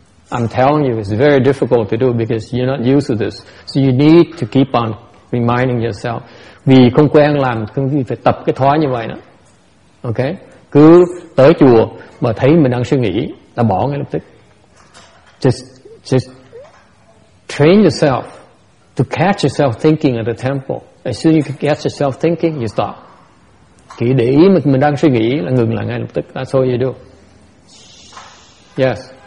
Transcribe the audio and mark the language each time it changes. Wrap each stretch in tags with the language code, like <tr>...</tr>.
<en>I'm telling you, it's very difficult to do because you're not used to this. So you need to keep on reminding yourself.</en> <vi>Vì không quen làm, không vì phải tập cái thói như vậy đó. Okay? Cứ tới chùa mà thấy mình đang suy nghĩ là bỏ ngay lập tức.</vi> <en>Just train yourself to catch yourself thinking at the temple. As soon as you can catch yourself thinking, you stop.</en> <vi>Chỉ để ý mình đang suy nghĩ là ngừng lại ngay lập tức.</vi> <en>That's all you do. Yes.</en>